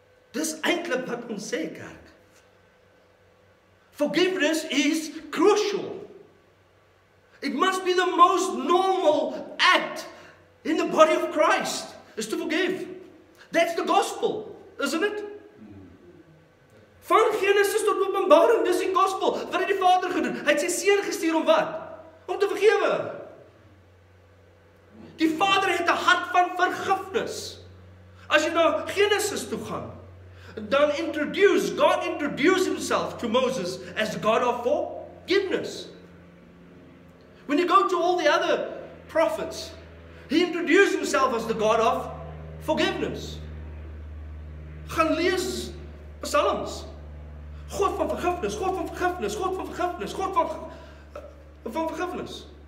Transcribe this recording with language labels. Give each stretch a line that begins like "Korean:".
Afrikaans: Dis eintlik wat ons sê, kerk.
English: Forgiveness is crucial. It must be the most normal act in the body of Christ, is to forgive. That's the gospel, isn't it?
Afrikaans: Van Genesis tot Openbaring, dis die gospel. Wat het die Vader gedoen? Hy het sy seun gestuur om wat? Om te vergewe. Die Vader het 'n hart van vergifnis. As jy na Genesis toe gaan, dan
English: God introduce himself to Moses as the God of forgiveness. When you go to all the other prophets, he introduced himself as the God of forgiveness.
Afrikaans: Gaan lees Psalms. God van vergifnis, God van vergifnis, God van vergifnis, God van vergifnis.